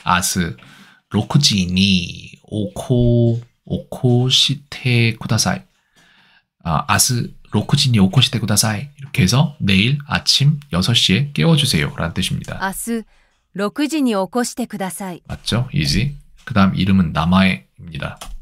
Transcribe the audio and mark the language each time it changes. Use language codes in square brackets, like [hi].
[ja] 아스, 로쿠지니 오코시테 쿠다사이. 아스, 로쿠지니 오코시테 쿠다사이. [ko] 이렇게 해서 내일 아침 6시에 깨워주세요. 라는 뜻입니다. [ja] 明日6時に起こしてください。 [ko] 맞죠? easy. 그 다음 이름은 나마에입니다.